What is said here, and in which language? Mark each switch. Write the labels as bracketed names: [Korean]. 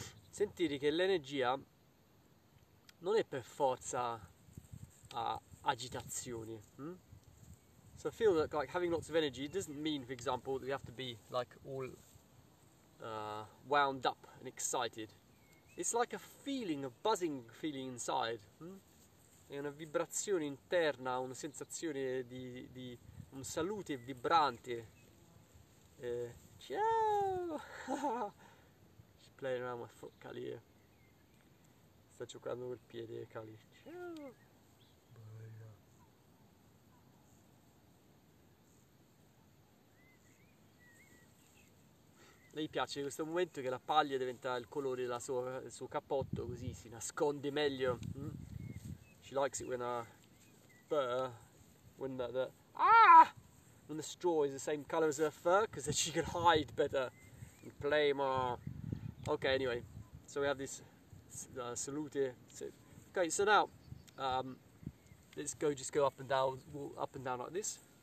[Italian] Sentire che l'energia non è per forza agitazione. [English] So I feel that like having lots of energy doesn't mean, for example, that we have to be like all wound up and excited. It's like a feeling, a buzzing feeling inside. [Italian] È una vibrazione interna, una sensazione di un salute vibrante. [English] Ciao! Playing around my foot, Cali. [Italian] Sta giocando col piede, Cali. Ciao. Bella. Lei piace questo momento che la paglia diventa il colore della sua, del suo cappotto, così si nasconde meglio. [English] She likes it when the straw is the same color as her fur, because then she can hide better and play more. Okay, anyway, so we have this salute. Okay, so now, let's go, just go up and down, up and down like this.